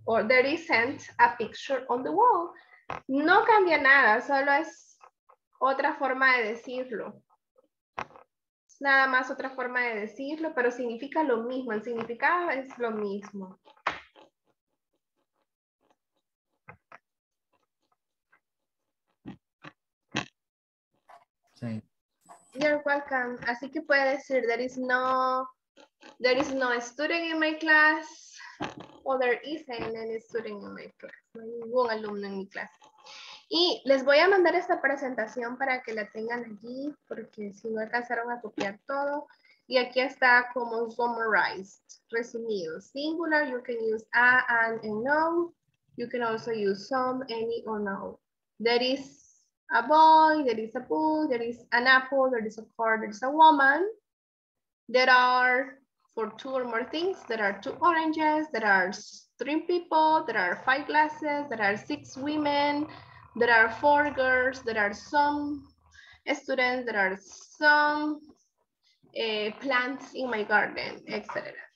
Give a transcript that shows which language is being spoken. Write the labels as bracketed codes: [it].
[en] Or there isn't a picture on the wall. [es] No cambia nada. Solo es otra forma de decirlo. Es nada más otra forma de decirlo, pero significa lo mismo. El significado es lo mismo. Sí. [en] You're welcome. [es] Así que puede decir [en] there is no student in my class or there isn't any student in my class. [es] No hay ningún alumno en mi clase. Y les voy a mandar esta presentación para que la tengan allí porque si no alcanzaron a copiar todo. Y aquí está como summarized, resumido. [en] Singular, you can use a, an, and no. You can also use some, any, or no. There is a boy, there is a book, there is an apple, there is a car, there is a woman. There are for two or more things. There are two oranges, there are three people, there are five glasses, there are six women, there are four girls, there are some students, there are some plants in my garden, etc.